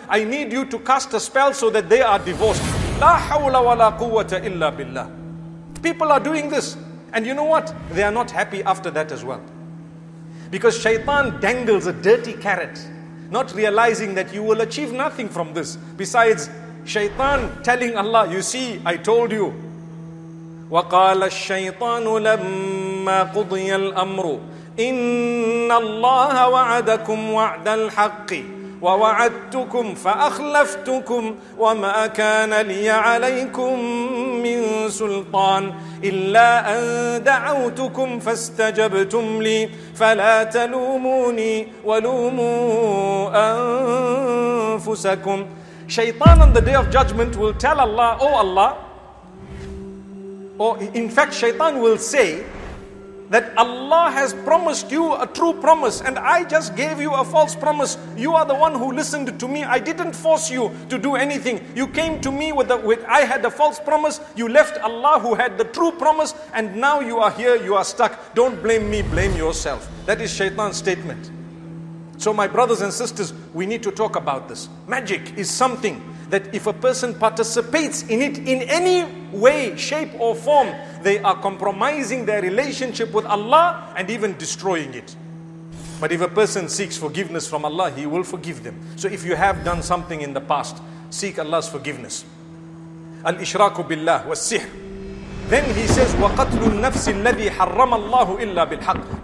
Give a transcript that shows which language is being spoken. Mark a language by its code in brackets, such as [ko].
[en] I need you to cast a spell so that they are divorced. [ar] La hawla wa la quwwata illa billah. [en] People are doing this. And you know what? They are not happy after that as well. Because shaitan dangles a dirty carrot, not realizing that you will achieve nothing from this. Besides, shaitan telling Allah, you see, I told you. [ar] وَقَالَ الشَّيْطَانُ لَمَّا قُضِيَ الْأَمْرُ إِنَّ اللَّهَ وَعَدَكُمْ وَعْدَ الْحَقِّ ووعدتكم فأخلفتكم وما كان لي عليكم من سلطان إلا أن دعوتكم فاستجبتم لي فلا تلوموني ولوموا أنفسكم. [en] Shaytan on the day of judgment will tell Allah, oh Allah, or in fact Shaytan will say that Allah has promised you a true promise and I just gave you a false promise. You are the one who listened to me. I didn't force you to do anything. You came to me I had a false promise. You left Allah who had the true promise and now you are here, you are stuck. Don't blame me, blame yourself. That is Shaitan's statement. So my brothers and sisters, we need to talk about this. Magic is something that if a person participates in it in any way, shape or form, they are compromising their relationship with Allah and even destroying it. But if a person seeks forgiveness from Allah, He will forgive them. So if you have done something in the past, seek Allah's forgiveness. [ar] Al-ishraku billah was-sihr. [en] Then he says, [ar] وَقَتْلُ النَّفْسِ الَّذِي حَرَّمَ اللَّهُ إِلَّا بِالْحَقِّ.